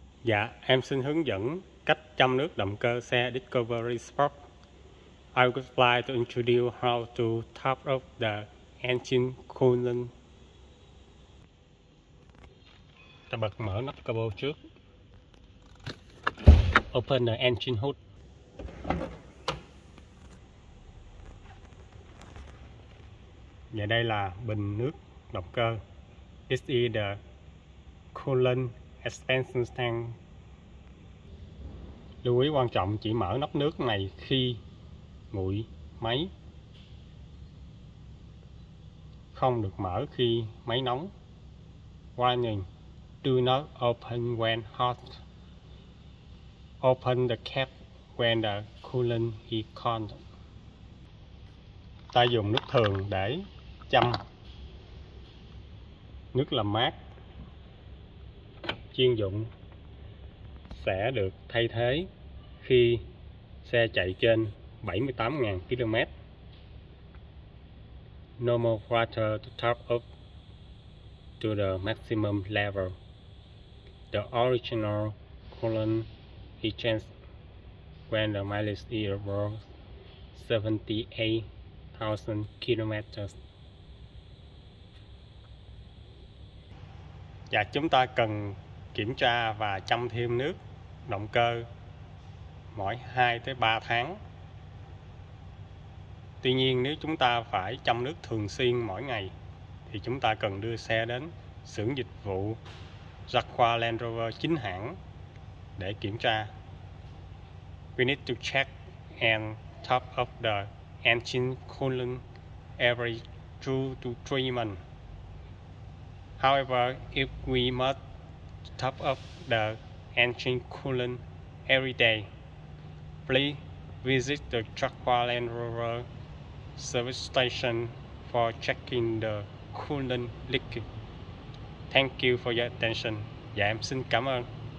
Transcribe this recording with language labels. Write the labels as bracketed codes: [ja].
[vi] Dạ, em xin hướng dẫn cách châm nước động cơ xe Discovery Sport. [en] I would like to introduce how to top up the engine coolant. [vi] Ta bật mở nắp capo trước. [en] Open the engine hood. [vi] Và đây là bình nước động cơ. [en] This is the coolant expansion tank. [vi] Lưu ý quan trọng chỉ mở nắp nước này khi nguội máy, không được mở khi máy nóng. [en] Warning: Do not open when hot. Open the cap when the coolant is cold. [vi] Ta dùng nước thường để châm. Nước làm mát chuyên dụng sẽ được thay thế khi xe chạy trên 78.000 km. [en] Normal water to top up to the maximum level. The original coolant is changed when the mileage is above 78,000 km. [vi] Dạ, chúng ta cần kiểm tra và châm thêm nước động cơ mỗi 2 tới 3 tháng. Tuy nhiên, nếu chúng ta phải châm nước thường xuyên mỗi ngày thì chúng ta cần đưa xe đến xưởng dịch vụ Jaguar Land Rover chính hãng để kiểm tra. [en] We need to check and top up the engine coolant every 2 to 3 months. However, if we must top up the engine coolant every day, please visit the Jaguar Land Rover service station for checking the coolant leak. Thank you for your attention. [vi] Dạ, em xin cảm ơn.